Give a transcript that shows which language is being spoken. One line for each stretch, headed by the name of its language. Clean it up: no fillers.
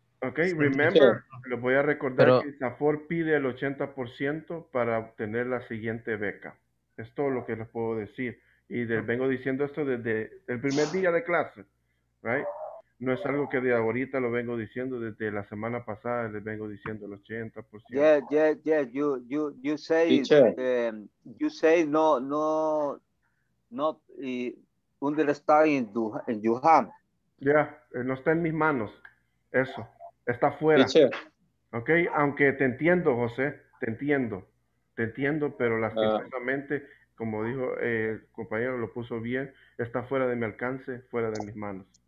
English: Ok, remember,
Spanish: lo voy a recordar, pero que INSAFOR pide el 80% para obtener la siguiente beca. Es todo lo que les puedo decir. Y vengo diciendo esto desde el primer día de clase, right? No es algo que de ahorita lo vengo diciendo, desde la semana pasada les vengo diciendo el 80%.
English: Yeah, you say, you say not understanding you have.
Spanish: Yeah, no está en mis manos, eso, está fuera. Ok, aunque te entiendo, José, te entiendo, pero lastimosamente, como dijo el compañero, lo puso bien, está fuera de mi alcance, fuera de mis manos.